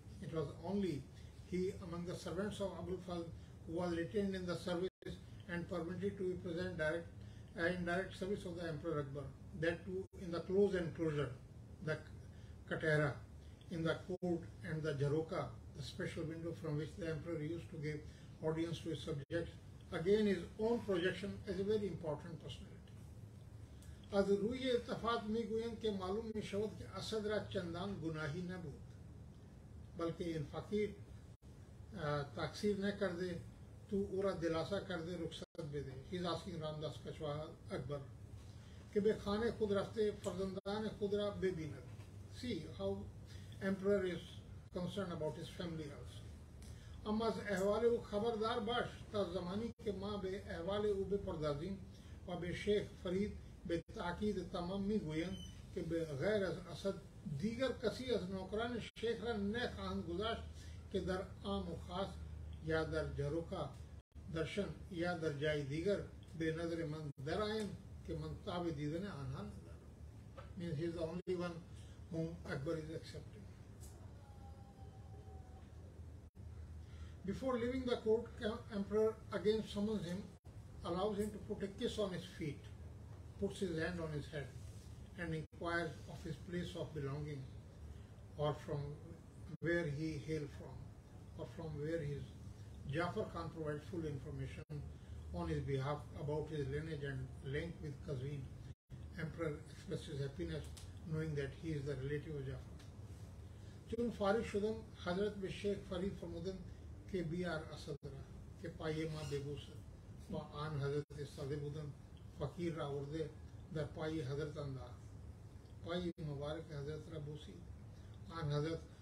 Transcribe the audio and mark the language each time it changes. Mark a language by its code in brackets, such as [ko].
[en] It was only he among the servants of Abul Fazl who was retained in the service and permitted to be present in direct service of the Emperor Akbar, that too in the close enclosure, the Katera, in the court, and the Jaroka, the special window from which the Emperor used to give audience to his subjects, again his own projection as a very important personality. [fa] از روی اتفاق میگویند که معلوم میشود که اسد را چندان گناهی نبود، بلکه این فقیر تقصیر نکرده تو او را دلاسا کرده رخصت بده. [en] He's asking Ramdas Kashwaha Akbar [fa] که به خانه خود رفته فرزندان خود را ببیند. [en] See how emperor is concerned about his family also. [fa] اما از احوال او خبردار باش تا زمانی که ما به احوال او بپردازیم و به شیخ فرید به تاکید تمام میگویند که به غیر از اسد دیگر کسی از نوکران شیخ را نخواهند گذاشت که در عام و خاص یا در جروکا درشن یا در جای دیگر به نظر من در آیند که من تاب دیدن آنها ندارم. [en] Means he is the only one whom Akbar is accepting. Before leaving the court, emperor again summons him, allows him to put a kiss on his feet, puts his hand on his head and inquires of his place of belonging, or from where he hailed from, or from where his Jafar Khan provides full information on his behalf about his lineage and link with Qazvini. Emperor expresses happiness knowing that he is the relative of Jafar. [fa] Chun Farish Shudam Hazrat Bishaykh Farid Farmudan Ke Biyar Asadra Ke Payema Debusar Ma An Hazrat Sadebudan فقیر را ارده در پایی حضرت انداخت. پایی مبارک حضرت را بوسید. آن حضرت